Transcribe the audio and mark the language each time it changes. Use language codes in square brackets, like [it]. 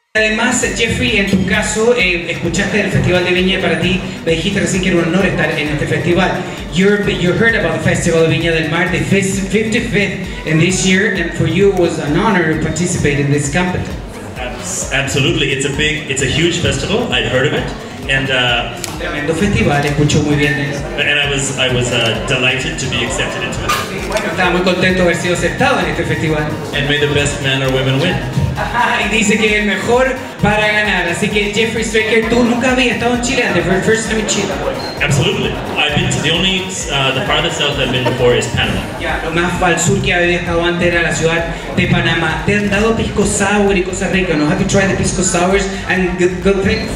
[es] Además, Jeffrey, en tu caso, escuchaste el Festival de Viña y para ti me dijiste recién que era un honor estar en este festival. [en] You heard about the Festival de Viña del Mar, the 55th in this year, and for you it was an honor to participate in this campaign. Absolutely, it's a big, it's a huge festival. I'd heard of it, and [es] tremendo festival, escucho muy bien. [en] And I was delighted to be accepted into it. [es] Bueno, estaba muy contento de haber sido aceptado en este festival. [en] And may the best men or women win. [es] Y dice que es el mejor para ganar. Así que Jeffrey Straker, tú nunca habías estado en Chile antes. [en] For the first time in Chile. Absolutely. I've been to the only, the farthest south I've been before is Panama. [es] Lo más al sur que había estado antes era la ciudad de Panamá. Te han dado pisco sour y cosas ricas, ¿no? [en] Have you tried the pisco sours and good things?